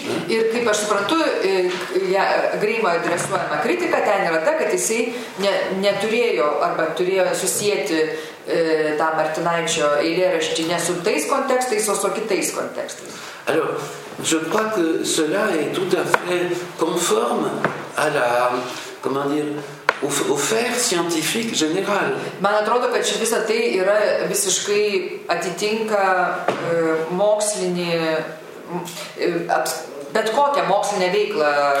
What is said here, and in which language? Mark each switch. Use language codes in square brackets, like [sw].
[lt] Ir kaip aš suprantu, Grėmo adresuojama kritika ten yra ta, kad jisai neturėjo arba turėjo susieti tą Martinaičio eilėraštį ne su tais kontekstais, o su kitais kontekstais. [fr] Alors, je crois que cela est tout à fait conforme à la, comment dire, au faire scientifique général. [lt] Man atrodo, kad ši visa tai yra visiškai atitinka mokslinį, bet kokią mokslinę veiklą,